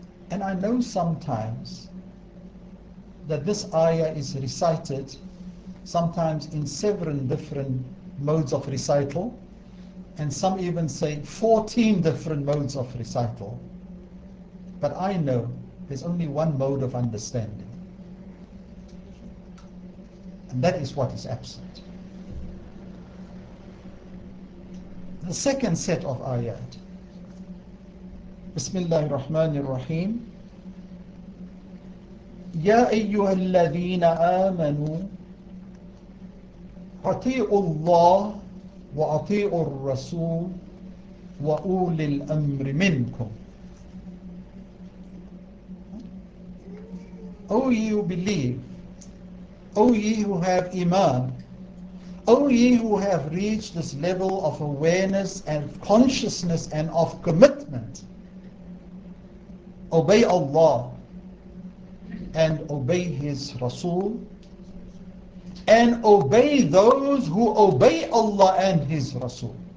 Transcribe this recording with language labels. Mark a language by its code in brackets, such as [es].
[en] And I know sometimes that this ayah is recited sometimes in several different modes of recital, and some even say 14 different modes of recital. But I know there's only one mode of understanding, and that is what is absent. The second set of ayat, [ar] بسم الله الرحمن الرحيم يا أيها الذين آمنوا أطيعوا الله وأطيعوا الرسول وأولي الأمر منكم. [en] O ye who believe, O ye who have iman, O ye who have reached this level of awareness and consciousness and of commitment, obey Allah and obey His Rasul, and obey those who obey Allah and His Rasul.